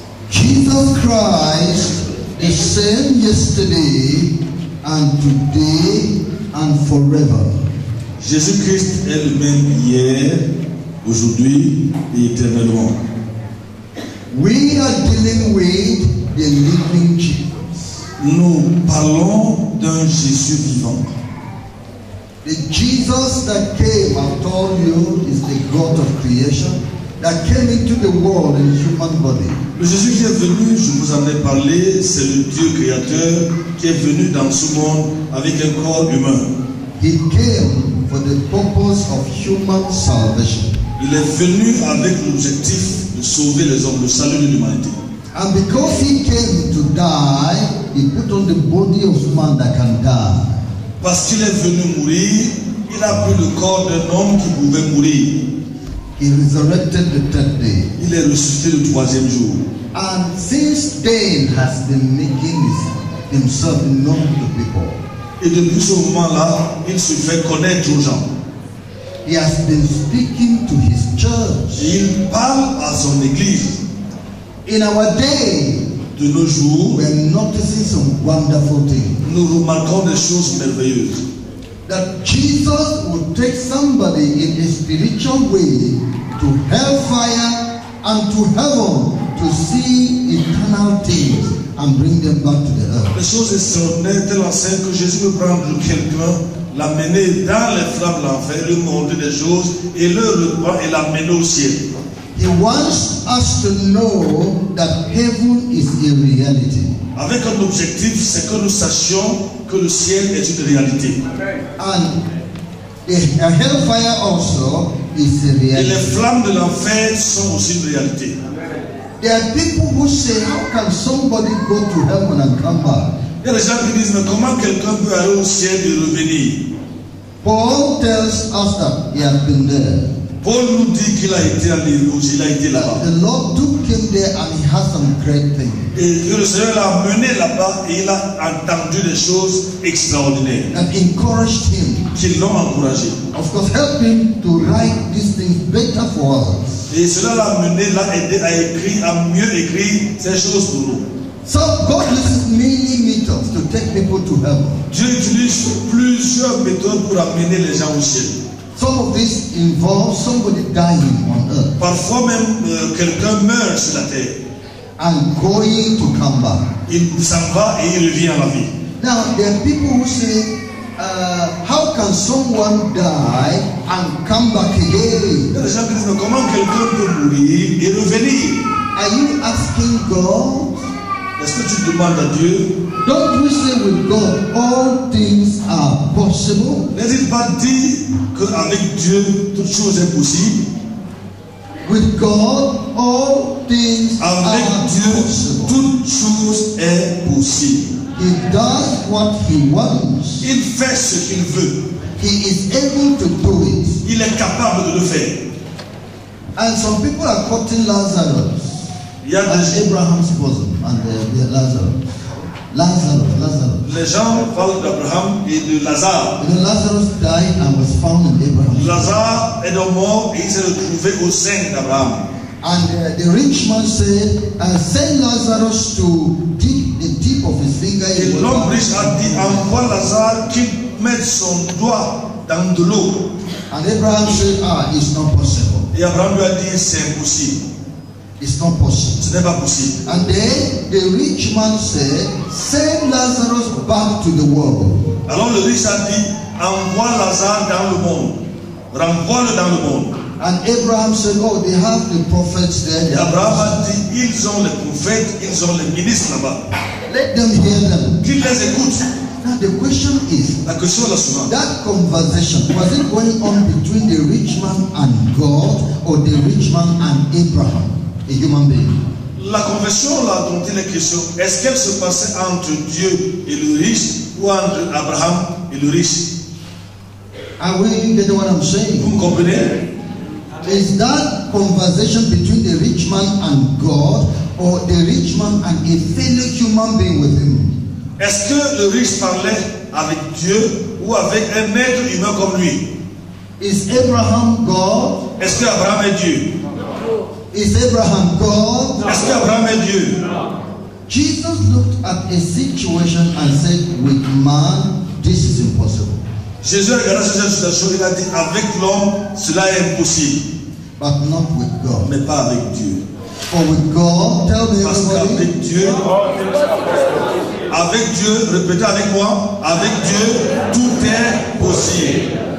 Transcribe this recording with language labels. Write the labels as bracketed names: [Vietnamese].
[English] Jesus Christ the same yesterday and today and forever. [French] Jésus-Christ est le même hier, aujourd'hui et éternellement. [English] We are dealing with the living Jesus. [French] Nous parlons d'un Jésus vivant. [English] The Jesus that came, I told you, is the God of creation that came into the world in human body. [French] Le Jésus qui est venu, je vous en ai parlé, c'est le Dieu créateur qui est venu dans ce monde avec un corps humain. [English] He came for the purpose of human salvation. [French] Il est venu avec l'objectif de sauver les hommes, de saluer l'humanité. [English] And because he came to die, he put on the body of man that can die. [French] Parce qu'il est venu mourir, il a pris le corps d'un homme qui pouvait mourir. [English] He resurrected the third day. [French] Il est ressuscité le troisième jour. [English] And since then has been making himself known to people. [French] Et depuis ce moment-là, il se fait connaître aux gens. [English] He has been speaking to his church. [French] Il parle à son église. [English] In our day, [French] de nos jours, [English] we are noticing some wonderful things. [French] Nous remarquons des choses merveilleuses. [English] That Jesus would take somebody in a spiritual way to hellfire and to heaven to see eternal things and bring them back to the earth. [French] Les choses extraordinaires telles celles que Jésus veut prendre quelqu'un, l'amener dans les flammes de l'enfer, lui montrer des choses et le revoir et l'amener au ciel. [English] He wants us to know that heaven is a reality. [French] Avec un objectif, c'est que nous sachions que le ciel est une réalité. [English] And the hellfire also is a reality. [French] Et les flammes de l'enfer sont aussi une réalité. [English] There are people who say, how can somebody go to heaven and come back? [French] Il y a des gens qui disent, mais comment quelqu'un peut aller au ciel et revenir? [English] Paul tells us that he has been there. [French] Paul nous dit qu'il a été en Éruge, il a été là-bas. [English] The Lord took him there and he has some great things. [French] Et que le Seigneur l'a amené là-bas et il a entendu des choses extraordinaires. [English] And encouraged him. [French] Qui l'ont encouragé. [English] Of course, help him to write these things better for us. [French] Et cela l'a amené, l'a aidé à écrire, à mieux écrire ces choses pour nous. [English] So God uses many methods to take people to heaven. [French] Dieu utilise plusieurs méthodes pour amener les gens au ciel. [English] Some of this involves somebody dying on earth. [French] Parfois même quelqu'un meurt sur la terre. [English] And going to come back. [French] Il s'en va et il revient à la vie. [English] Now there are people who say, how can someone die and come back again? [French] Les gens disent, comment quelqu'un peut mourir et revenir? [English] Are you asking God? [French] Est-ce que tu demandes à Dieu? [English] Don't we say with God, all things are possible? [French] N'est-il pas dit qu'avec Dieu, toute chose est possible? [English] With God, all things [French] avec [English] are [French] Dieu, [English] possible. [French] Toute chose est possible. [English] He does what he wants. [French] Il fait ce qu'il veut. [English] He is able to do it. [French] Il est capable de le faire. [English] And some people are quoting Lazarus. As Abraham's bosom and Lazarus. Lazarus. [French] Les gens parlent d'Abraham et de Lazare. [English] You know, Lazarus died and was found in Abraham's. [French] Lazare est donc mort et il s'est retrouvé au sein d'Abraham. [English] And the rich man said, send Lazarus to dig the tip of his finger. [French] Et l'homme riche a dit, envoie Lazare qui met son doigt dans de l'eau. [English] And Abraham said, it's not possible. [French] Et Abraham lui a dit, c'est impossible. [English] It's not possible. [French] Ce n'est pas possible. [English] And then the rich man said, send Lazarus back to the world. [French] Alors le riche a dit, envoie Lazare dans le monde. Renvoie-le dans le monde. [English] And Abraham said, oh, they have the prophets there. [French] Et Abraham a dit, ils ont les prophètes, ils ont les ministres là-bas. [English] Let them hear them. [French] Qu'ils les écoutent. [English] Now the question is, [French] la question est la suivante. [English] That conversation, was it going on between the rich man and God or the rich man and Abraham? A human being. [French] La conversion là dont il est question, est-ce qu'elle se passait entre Dieu et le riche ou entre Abraham et le riche? [English] Are we getting what I'm saying? [French] Vous me comprenez? [English] Is that conversation between the rich man and God or the rich man and a fellow human being with him? [French] Est-ce que le riche parlait avec Dieu ou avec un maître humain comme lui? [English] Is Abraham God? [French] Est-ce que Abraham est Dieu? [English] Is Abraham God? [French] Est-ce que Abraham est Dieu? [English] Jesus looked at a situation and said, with man, this is impossible. [French] Jésus a regardé cette situation et a dit, avec l'homme, cela est impossible. [English] But not with God. [French] Mais pas avec Dieu. [English] For with God, tell me [French] parce [English] everybody. [French] Qu'avec Dieu, avec Dieu, répétez avec moi, avec Dieu, tout est possible.